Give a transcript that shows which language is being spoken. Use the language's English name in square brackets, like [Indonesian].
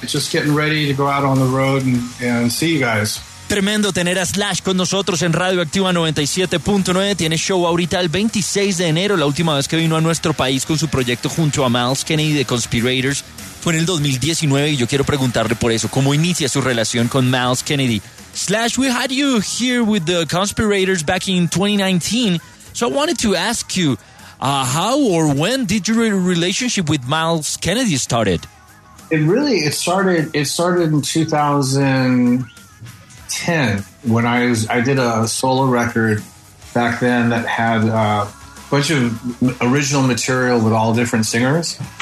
[English] Just getting ready to go out on the road and see you guys. [Spanish] Tremendo tener a Slash con nosotros en Radio Activa 97.9. Tiene show ahorita el 26 de enero. La última vez que vino a nuestro país con su proyecto junto a Miles Kennedy de Conspirators fue en el 2019, y yo quiero preguntarle por eso. ¿Cómo inicia su relación con Miles Kennedy? [English] / we had you here with the Conspirators back in 2019. So I wanted to ask you, how or when did your relationship with Miles Kennedy started? It started in 2010 when I did a solo record back then that had a bunch of original material with all different singers.